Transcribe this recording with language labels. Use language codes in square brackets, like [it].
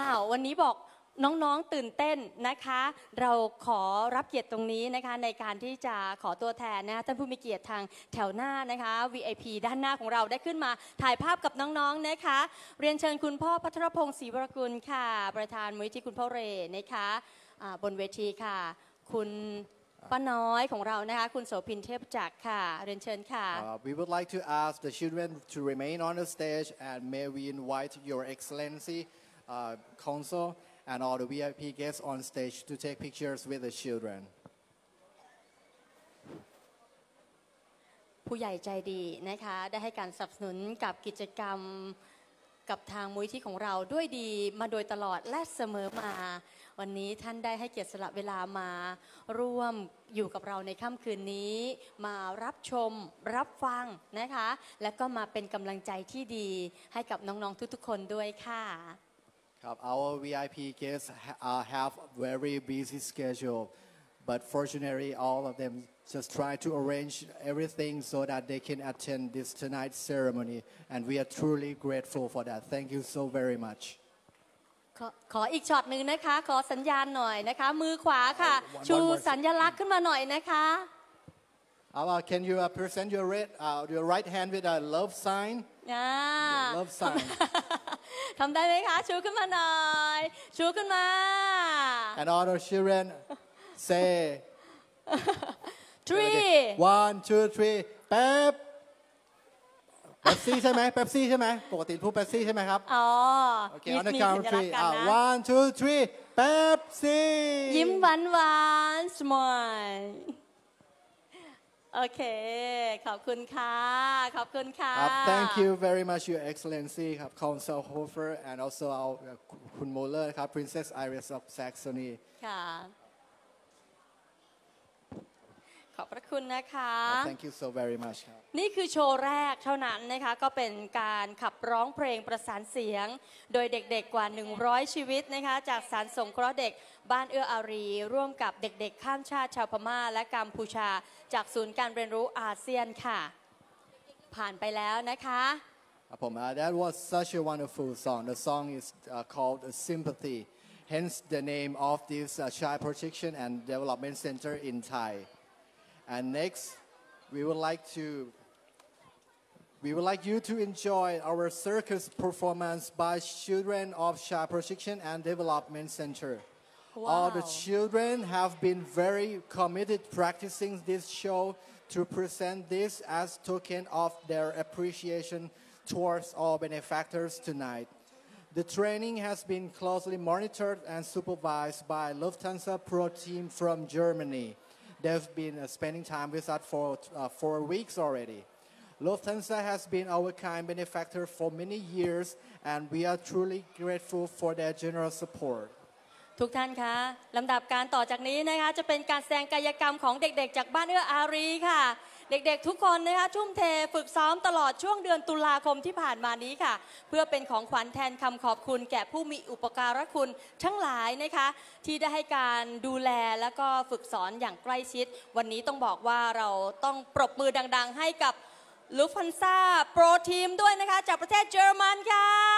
[th] วันนี้บอกน้องๆตื่นเต้นนะคะเราขอรับเกียรติตรงนี้นะคะในการที่จะขอตัวแทนนะท่านผู้มีเกียรติทางแถวหน้านะคะ VIP ด้านหน้าของเราได้ขึ้นมาถ่ายภาพกับน้องๆ นะคะเรียนเชิญคุณพ่อพัทรพงศ์ศรีวรกุลค่ะประธานมูลนิธิคุณพ่อเรนะคะบนเวทีค่ะคุณป้าน้อยของเรานะคะคุณโสภินเทพจักรค่ะเรียนเชิญค่ะ [en] We would like to ask the children to remain on the stage and may we invite your excellency consul and all the VIP guests on stage to take pictures with the children. [th] ผู้ใหญ่ใจดีนะคะได้ให้การสนับสนุนกับกิจกรรมกับทางมูลนิธิของเราด้วยดีมาโดยตลอดและเสมอมาวันนี้ท่านได้ให้เกียรติสละเวลามาร่วมอยู่กับเราในค่ำคืนนี้มารับชมรับฟังนะคะและก็มาเป็นกำลังใจที่ดีให้กับน้องๆทุกๆคนด้วยค่ะ ครับ [en] our VIP guests have very busy schedule but fortunately all of them just try to arrange everything so that they can attend this tonight's ceremony and we are truly grateful for that thank you so very much [th] ขออีกช็อตนึงนะคะขอสัญญาณหน่อยนะคะมือขวาค่ะชูสัญลักษณ์ขึ้นมาหน่อยนะคะ [en] can you present your right hand with a love sign love sign [th] ทำได้ไหมคะชูขึ้นมาหน่อยชูขึ้นมา [en] and all the children say three one two three pepepsi [th] ใช่ไหม pepsi ใช่ไหมปกติพูด pepsi ใช่ไหมครับ อ๋อ โอเคอันนี้ [en] count three one two three pepsi [th] ยิ้มหวานหวาน [en] smile [th] โอเคขอบคุณค่ะขอบคุณค่ะ [en] thank you very much your excellency [th] ครับ [en] consul hofer and also our คุณ muller ครับ princess iris of saxony [th] ค่ะขอบพระคุณนะคะ [en] Thank you so very much [th] นี่คือโชว์แรกเท่านั้นนะคะก็เป็นการขับร้องเพลงประสานเสียงโดยเด็กๆกว่า100ชีวิตนะคะจากสารสงเคราะห์เด็กบ้านเอื้ออารีร่วมกับเด็กๆข้ามชาติชาวพม่าและกัมพูชาจากศูนย์การเรียนรู้อาเซียนค่ะผ่านไปแล้วนะคะ ผม [en] That was such a wonderful song the song is called Sympathy hence the name of this Child Protection and Development Center in ThaiAnd next, we would like you to enjoy our circus performance by children of Child Protection and Development Center. Wow. All the children have been very committed practicing this show to present this as token of their appreciation towards all benefactors tonight. The training has been closely monitored and supervised by Lufthansa Pro Team from Germany. They've been spending time with us for 4 weeks already. Lufthansa has been our kind benefactor for many years, and we are truly grateful for their generous support. [th] ทุกท่านคะลำดับการต่อจากนี้นะคะจะเป็นการแสดงกายกรรมของเด็กๆจากบ้านเอื้ออารีค่ะเด็กๆทุกคนนะคะทุ่มเทฝึกซ้อมตลอดช่วงเดือนตุลาคมที่ผ่านมานี้ค่ะเพื่อเป็นของขวัญแทนคำขอบคุณแก่ผู้มีอุปการะคุณทั้งหลายนะคะที่ได้ให้การดูแลแล้วก็ฝึกสอนอย่างใกล้ชิดวันนี้ต้องบอกว่าเราต้องปรบมือดังๆให้กับลุฟันซ่าโปรทีมด้วยนะคะจากประเทศเยอรมันค่ะ